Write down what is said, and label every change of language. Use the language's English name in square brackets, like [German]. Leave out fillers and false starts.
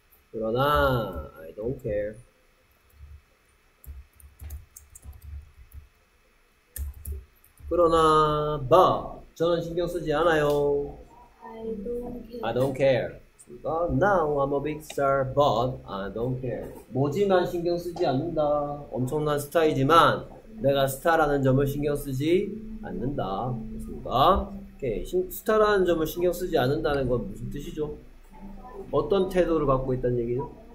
[Korean] 그러나 [English] I don't care. [Korean] 그러나 [English] but [Korean] 저는 신경 쓰지 않아요. [English] I don't care. I don't care. But now I'm a big star, but I don't care. [Korean] 뭐지만 신경 쓰지 않는다. 엄청난 스타이지만 내가 스타라는 점을 신경 쓰지 않는다. 그렇습니까? 오케이. 스타라는 점을 신경 쓰지 않는다는 건 무슨 뜻이죠? 어떤 태도를 갖고 있다는 얘기죠?